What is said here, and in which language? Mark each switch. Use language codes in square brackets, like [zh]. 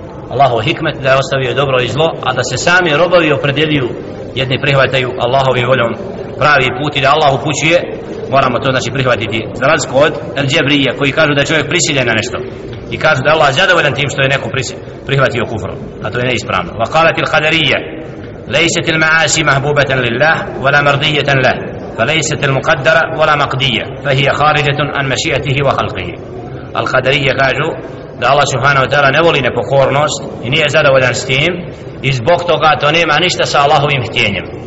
[bs] Allahov hikmet da je ostavio dobro i zlo, a da se sami robovi opredjeljuju, jedni prihvataju Allahovim voljom pravi put i da Allah upućuje, moramo to znači prihvatiti za razliku od Al-Jabrija koji kažu da je čovjek prisiljen na nešto i kažu da je Allah zadovoljan tim što je neko prihvatio kufru a to je neispravno [ar] وقالت القدرية ليست المعاصي محبوبة لله ولا مرضية له فليست المقدرة ولا مقدية، فهي خارجة عن مشيئته وخلقه. القدرية قالوا [bs] da Allah subhanahu wa ta'ala ne voli nepokornost i nije zadovoljan s tim i zbog toga to nema ništa sa Allahovim htjenjem.